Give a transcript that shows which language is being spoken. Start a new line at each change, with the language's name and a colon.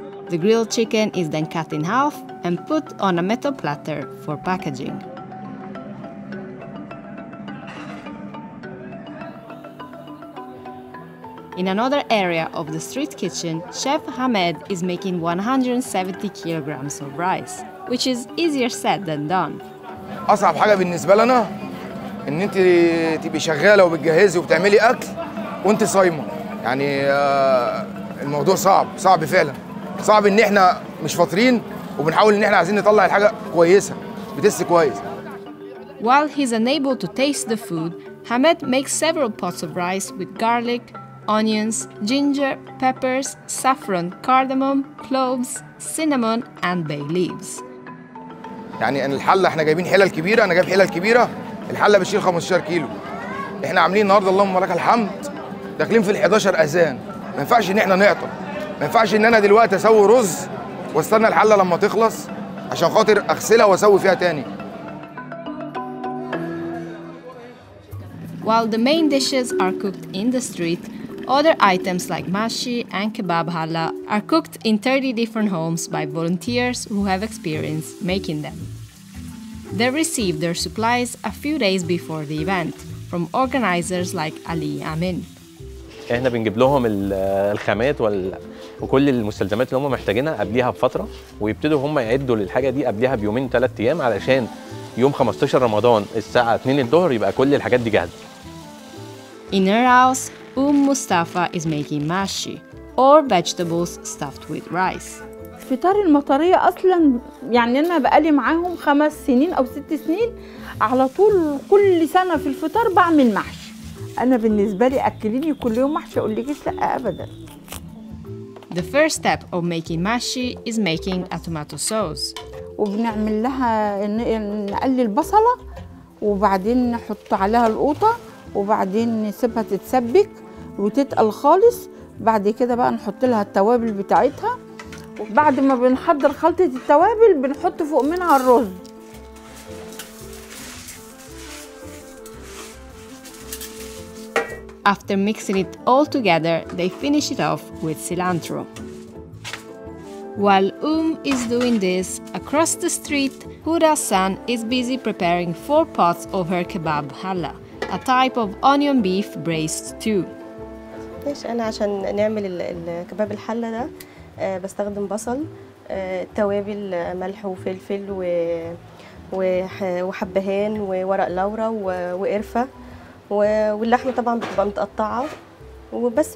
English: The grilled chicken is then cut in half and put on a metal platter for packaging. In another area of the street kitchen, Chef Hamed is making 170 kilograms of rice, which is easier said than done.
Arabic: أصعب حاجة بالنسبة لنا إن أنت تبي شغالة وبتجهزي وبتعملي أكل وأنت صايمة. يعني الموضوع صعب، صعب فعلا. صعب إن إحنا مش فاطرين وبنحاول إن إحنا عايزين نطلع الحاجة كويسة، بتست كويس.
English: While he's unable to taste the food, Hamed makes several pots of rice with garlic, onions, ginger, peppers, saffron, cardamom, cloves, cinnamon, and bay leaves.
Arabic: يعني الحلة احنا جايبين حلل كبيرة، أنا جايب حلل كبيرة، الحلة بتشيل 15 كيلو. احنا عاملين النهاردة اللهم لك الحمد، داخلين في ال 11 أذان، ما ينفعش إن احنا نعطل، ما ينفعش إن أنا دلوقتي أسوي رز وأستنى الحلة لما تخلص عشان خاطر أغسلها وأسوي فيها تاني.
English: While the main dishes are cooked in the street, other items like mashi and kebab challah are cooked in 30 different homes by volunteers who have experience making them. They receive their supplies a few days before the event from organizers like Ali Amin.
Arabic: احنا بنجيب لهم الخامات وكل المستلزمات اللي هم محتاجينها قبلها بفتره ويبتدوا هم يعدوا للحاجه دي قبلها بيومين ثلاث ايام علشان يوم 15 رمضان الساعه 2 الظهر يبقى كل الحاجات دي جاهزه.
English: In our house, Mustafa is making mashi, or vegetables stuffed with rice.
Arabic: الفطار المطرية أصلا يعني أنا بقالي معاهم خمس سنين أو ست سنين على طول كل سنة في الفطار بعمل محشي. أنا بالنسبة لي أكليني كل يوم محشي أقول لك لا أبدا.
English: The first step of making mashi is making a tomato sauce.
Arabic: وبنعمل لها نقلي البصلة وبعدين نحط عليها القوطة وبعدين نسيبها تتسبك وتتقل خالص بعد كده بقى نحط لها التوابل بتاعتها وبعد ما بنحضر خلطة التوابل بنحط فوق منها الرز
English: After mixing it all together, they finish it off with cilantro. While is doing this, across the street, Huda-san is busy preparing four pots of her kebab challah. A type of onion beef braised too.
Arabic: ليش انا عشان نعمل الكباب الحله ده بستخدم بصل، توابل ملح وفلفل وحبهان وورق لورا وقرفة، واللحمة طبعا بتبقى متقطعة وبس.